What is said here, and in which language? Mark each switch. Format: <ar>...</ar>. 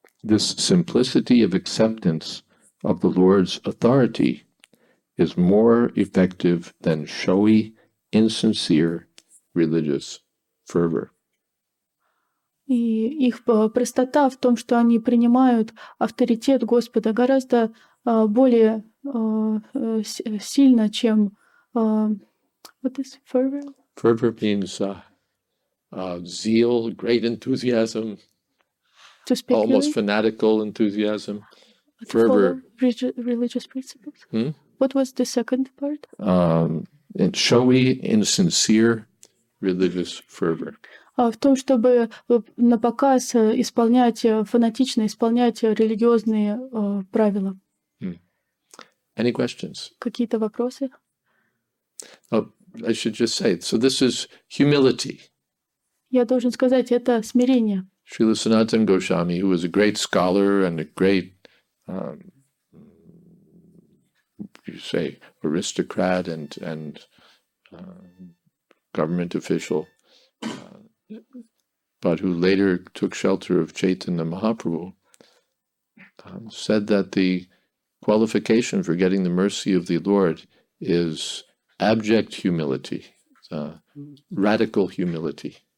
<en>This simplicity of acceptance of the Lord's authority is more effective than showy, insincere religious fervor.</en> <ru>И их простота в том, что они принимают авторитет Господа, гораздо более сильно, чем</ru> <en>what is fervor? Fervor means zeal, great enthusiasm, almost fanatical enthusiasm. Fervor. Religious principles. What was the second part? And showy, insincere religious fervor.</en> <ru>В том, чтобы напоказ исполнять, фанатично исполнять религиозные правила.</ru> <en>Any questions?</en> <ru>Какие-то вопросы?</ru> <en>Oh, I should just say, so this is humility.</en> <ru>Я должен сказать, это смирение.</ru> <en>Srila Sanatan Goswami, who was a great scholar and a great, you say, aristocrat and government official, but who later took shelter of Chaitanya Mahaprabhu, said that the qualification for getting the mercy of the Lord is abject humility, radical humility.</en>